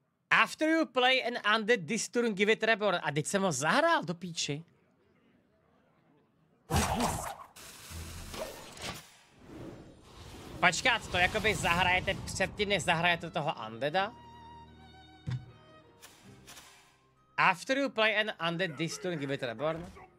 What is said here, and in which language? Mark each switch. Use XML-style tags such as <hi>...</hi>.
<en>After you play an undead this turn, give it reborn.</en> <cs>A teď jsem ho zahrál do píči. Počkat, to jakoby zahrajete předtím, než zahrajete toho undeada?</cs> <en>After you play an undead this turn, give it reborn.</en>